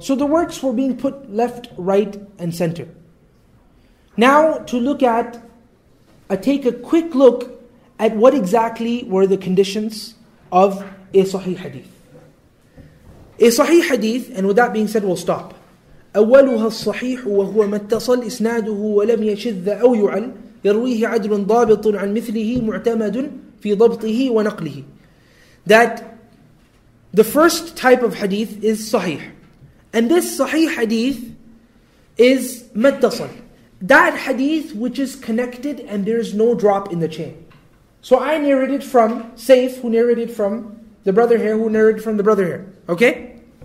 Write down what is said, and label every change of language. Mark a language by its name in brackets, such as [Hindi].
[English] So the works were being put left, right, and center. Now to look at, take a quick look at what exactly were the conditions of a sahih hadith. A sahih hadith, and with that being said, we'll stop. [Arabic] أولها الصحيح وهو ما اتصل إسناده ولم يشذ أو يعل يرويه عدل ضابط عن مثله معتمد في ضبطه ونقله. [English] That the first type of hadith is sahih. And this sahih hadith is [Arabic] ما اتصل. [English] That hadith which is connected and there is no drop in the chain. So I narrated from Saif, who narrated from the brother here, who narrated from the brother here. Okay?